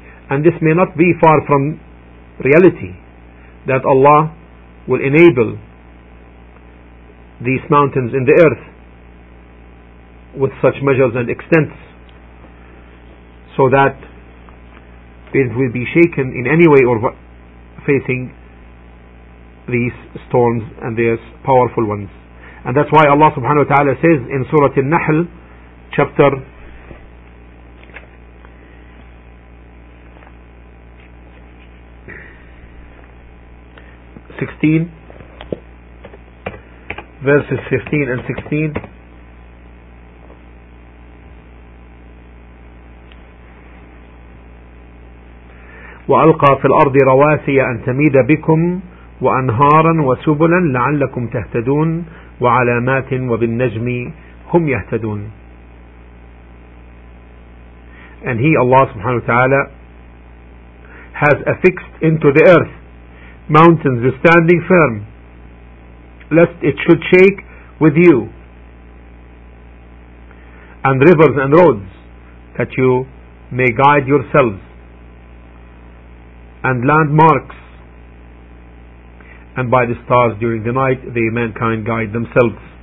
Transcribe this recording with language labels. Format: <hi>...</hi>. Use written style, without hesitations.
<en>And this may not be far from reality, that Allah will enable these mountains in the earth with such measures and extents, so that it will be shaken in any way or facing these storms and these powerful ones. And that's why Allah subhanahu wa ta'ala says in Surah Al-Nahl, chapter 16 verses 15 and 16,</en> <ar>وألقى في الأرض رواسي أن تميد بكم وأنهارا وسبلا لعلكم تهتدون وعلامات وبالنجم هم يهتدون.</ar> <en>And he, Allah subhanahu wa ta'ala, has affixed into the earth mountains standing firm, lest it should shake with you, and rivers and roads, that you may guide yourselves, and landmarks, and by the stars during the night, the mankind guide themselves.</en>